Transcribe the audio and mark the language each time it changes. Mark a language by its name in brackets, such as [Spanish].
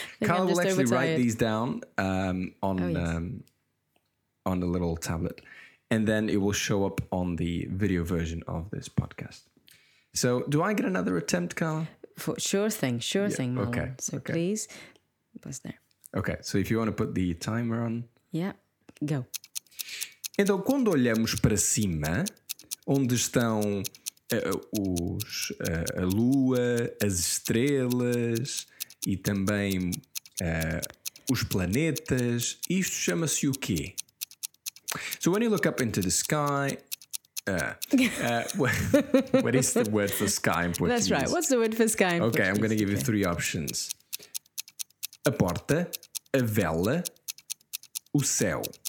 [English] Carla will actually write these down on the little tablet. And then it will show up on the video version of this podcast. So do I get another attempt, Carla? For sure thing, Marlon. Okay. So okay. Please, pause there. Okay, so if you want to put the timer on. Yeah, go. [Portuguese] Então, quando olhamos para cima, onde estão a lua, as estrelas e também os planetas, isto chama-se o quê? [English] So when you look up into the sky... what is the word for sky in Portuguese? That's right. What's the word for sky in okay, Portuguese? Okay, I'm going to give you three options. [Portuguese] A porta, a vela, o céu.